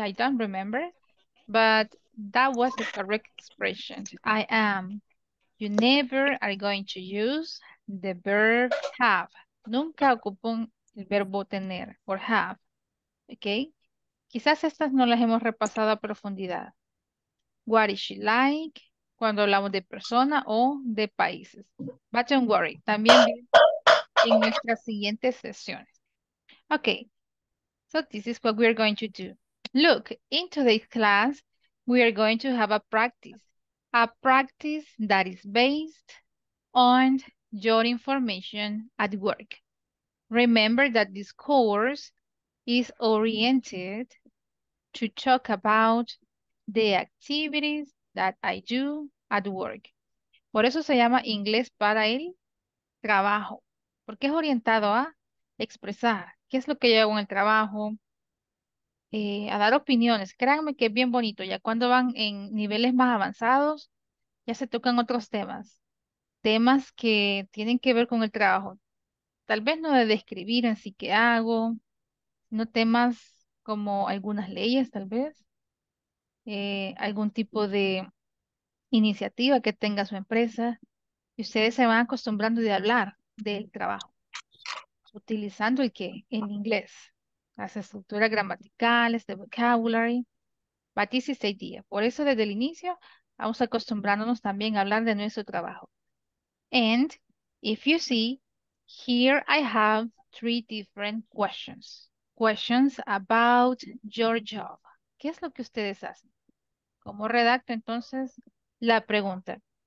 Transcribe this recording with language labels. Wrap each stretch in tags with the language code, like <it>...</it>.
<en>I don't remember, but that was the correct expression. I am. You never are going to use the verb have.</en> <es>Nunca ocupan el verbo tener</es> <en>or have.</en> <es>Okay. Quizás estas no las hemos repasado a profundidad.</es> <en>What is she like?</en> <es>Cuando hablamos de persona o de países.</es> <en>But don't worry.</en> <es>También viene en nuestras siguientes sesiones. Okay.</es> <en>So this is what we are going to do. Look, in today's class, we are going to have a practice. A practice that is based on your information at work. Remember that this course is oriented to talk about the activities that I do at work.</en> <es>Por eso se llama inglés para el trabajo, porque es orientado a expresar qué es lo que yo hago en el trabajo. A dar opiniones. Créanme que es bien bonito. Ya cuando van en niveles más avanzados, ya se tocan otros temas. Temas que tienen que ver con el trabajo. Tal vez no de describir en sí qué hago, no temas como algunas leyes, tal vez. Algún tipo de iniciativa que tenga su empresa y ustedes se van acostumbrando de hablar del trabajo, utilizando el qué, el inglés, las estructuras gramaticales, de</es> <en>vocabulary, but this is the idea.</en> <es>Por eso desde el inicio vamos acostumbrándonos también a hablar de nuestro trabajo.</es> <en>And if you see, here I have three different questions. Questions about your job.</en> <es>¿Qué es lo que ustedes hacen? ¿Cómo redacto entonces la pregunta?</es>